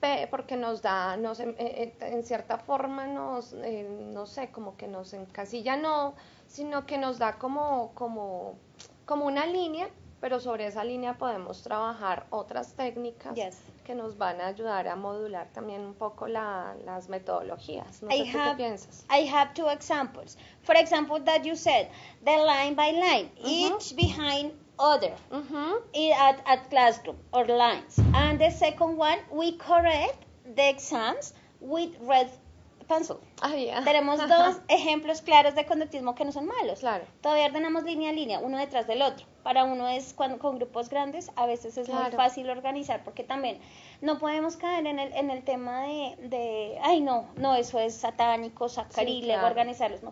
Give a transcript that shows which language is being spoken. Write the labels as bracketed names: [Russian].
[Spanish] Porque nos da, en cierta forma nos, no sé, como que nos encasilla, no, sino que nos da como una línea, pero sobre esa línea podemos trabajar otras técnicas que nos van a ayudar a modular también un poco las metodologías. No sé qué piensas. [English] I have two examples. For example, that you said, the line by line, each behind other at classroom or lines. And the second one, we correct the exams with red pencil. [Spanish] Tenemos dos ejemplos claros de conductismo que no son malos. Claro. Todavía ordenamos línea a línea, uno detrás del otro. Para uno es cuando, con grupos grandes, a veces es muy fácil organizar, porque también no podemos caer en el tema de ay, no, eso es satánico, sacarílego, organizarlos, ¿no?